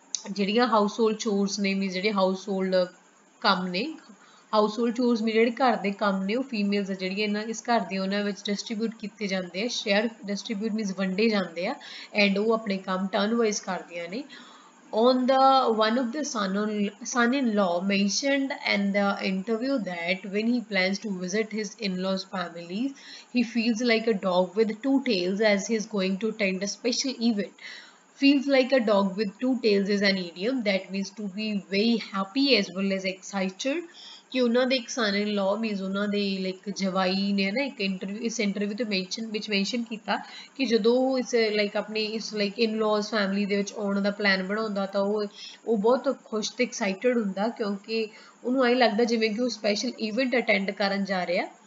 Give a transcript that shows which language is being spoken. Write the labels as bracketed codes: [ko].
[pa] ਜਿਹੜੀਆਂ house hold ਚੋਰਸ ਨੇ, means ਜਿਹੜੇ ਹਾਊਸ ਹੋਲਡ ਕੰਮ ਨੇ, ਹਾਊਸ ਹੋਲਡ ਚੋਰਸ ਮੀਨਜ਼ ਜਿਹੜੇ ਘਰ ਦੇ ਕੰਮ ਨੇ, ਉਹ ਫੀਮੇਲਸ ਆ ਜਿਹੜੀਆਂ ਇਹਨਾਂ ਇਸ ਘਰ ਦੀਆਂ ਉਹਨਾਂ ਵਿੱਚ ਡਿਸਟ੍ਰੀਬਿਊਟ ਕੀਤੇ ਜਾਂਦੇ ਆ, ਸ਼ੇਅਰ ਡਿਸਟ੍ਰੀਬਿਊਟ ਮੀਨਜ਼ ਵੰਡੇ ਜਾਂਦੇ ਆ, ਐਂਡ ਉਹ ਆਪਣੇ ਕੰਮ ਟਰਨ ਵਾਈਸ ਕਰਦੀਆਂ ਨੇ। [en] On the one of the son in law mentioned and the interview that when he plans to visit his in laws family, he feels like a dog with two tails as he is going to attend a special event. Feels like a dog with two tails is an idiom that means to be very happy as well as excited. [pa] ਕਿ ਉਹਨਾਂ ਦੇ ਇੱਕ ਸਨ-ਇਨ-ਲਾਅ means ਉਹਨਾਂ ਦੇ like ਜਵਾਈ ਨੇ ਨਾ ਇੱਕ ਇੰਟਰਵਿਊ ਇਸ ਇੰਟਰਵਿਊ ਤੋਂ ਮੈਂਸ਼ਨ ਵਿੱਚ ਮੈਂਸ਼ਨ ਕੀਤਾ ਕਿ ਜਦੋਂ ਉਹ ਇਸ ਲਾਈਕ ਆਪਣੇ ਇਸ ਲਾਈਕ ਇਨ-ਲਾਅਸ ਫੈਮਿਲੀ ਦੇ ਵਿੱਚ ਆਉਣ ਦਾ ਪਲਾਨ ਬਣਾਉਂਦਾ ਤਾਂ ਉਹ ਬਹੁਤ ਖੁਸ਼ ਅਤੇ ਐਕਸਾਈਟਡ ਹੁੰਦਾ, ਕਿਉਂਕਿ ਉਹਨੂੰ ਐਂ ਲੱਗਦਾ ਜਿਵੇਂ ਕਿ ਉਹ ਸਪੈਸ਼ਲ ਈਵੈਂਟ ਅਟੈਂਡ ਕਰਨ ਜਾ ਰਿਹਾ।